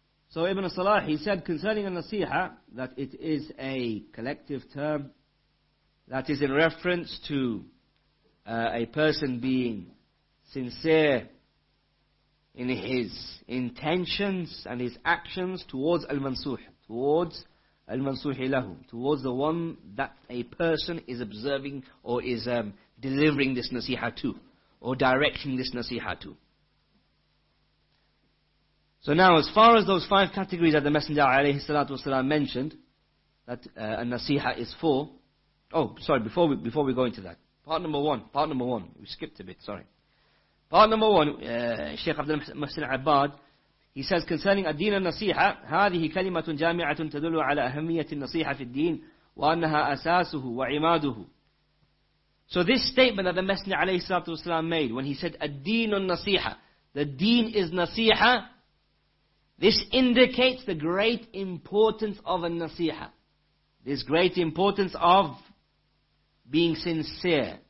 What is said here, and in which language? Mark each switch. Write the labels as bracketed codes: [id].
[en] So Ibn al-Salah, he said concerning al-nasiha, that it is a collective term that is in reference to a person being sincere in his intentions and his actions towards al-mansuh, towards al-mansuhi lahu, towards the one that a person is observing or is delivering this nasiha to, or directing this nasiha to. So now, as far as those five categories that the Messenger alayhi salatu wasalam mentioned, that al-nasiha is for. Oh, sorry. Before we go into that, part number one. We skipped a bit. Sorry. Part number one, Shaykh Abdul Muhsin Abad, he says concerning [ar] الدين النصيحة, هذه كلمة جامعة تدل على أهمية النصيحة في الدين وأنها أساسه وعماده. [en] So this statement that the Messenger عليه الصلاة والسلام made when he said الدين النصيحة, the deen is نصيحة, this indicates the great importance of النصيحة. This great importance of being sincere.